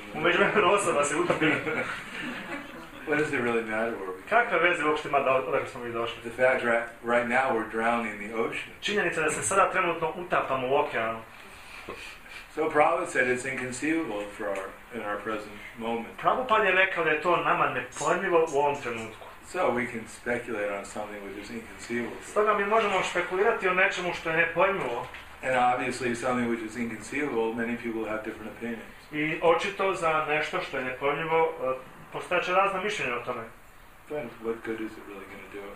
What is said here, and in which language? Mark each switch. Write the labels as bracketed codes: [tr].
[bs] U međuvremenu osoba se utopi. [en] What does it really matter where we came? [bs] Kakve veze uopšte ima odakle smo mi došli? [en] The fact that right now we're drowning in the ocean. [bs] Činjenica da se sada trenutno utapamo u okeanu. [en] So Prabhupada said it's inconceivable for in our present moment. [bs] Prabhupada je rekao da je to nama nepojmljivo u ovom trenutku. [en] So we can speculate on something which is inconceivable. [bs] Stoga mi možemo špekulirati o nečemu što je nepojmljivo. [en] And obviously something which is inconceivable, many people have different opinions. [bs] I očito za nešto što je nepojmljivo postaće razna mišljenja o tome. [en] But what good is it really going to do?